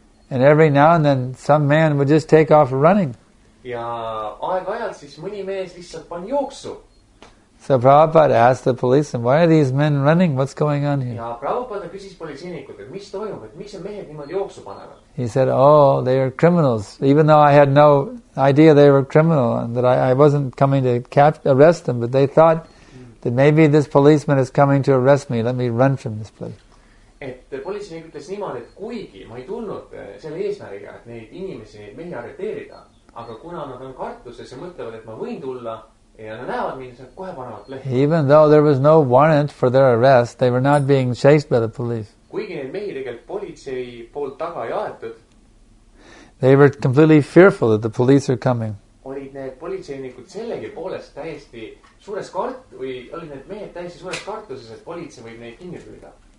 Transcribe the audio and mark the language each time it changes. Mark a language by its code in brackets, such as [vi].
[en] And every now and then some man would just take off running. [et] Ja aeg-ajalt siis mõni mees lihtsalt pan jooksu. [en] So Prabhupada asked the policeman, why are these men running? What's going on here? [et] Ja Prabhupada küsis politseinikud, et mis toimub, et mis on mehed niimoodi jooksu panevad? [en] He said, oh, they are criminals. Even though I had no idea they were criminal and that I wasn't coming to arrest them, but they thought that maybe this policeman is coming to arrest me. Let me run from this place. [et] Et politseinikud ütles niimoodi, et kuigi ma ei tulnud selle eesmärgiga, et neid inimesi mehi arreteerida, aga kuna nad on kartuses ja mõtlevad, et ma võin tulla ja nad näevad mind, siis kohe panevad lehti. [en] Even though there was no warrant for their arrest, they were not being chased by the police. [et] Kuigi need mehi tegelikult politsei poolt taga ei aetud. [en] They were completely fearful that the police are coming. [et] Olid need politseinikud sellegi poolest täiesti suures kart või olid need mehed täiesti suures kartuses, et politsei võib neid kinni püüda.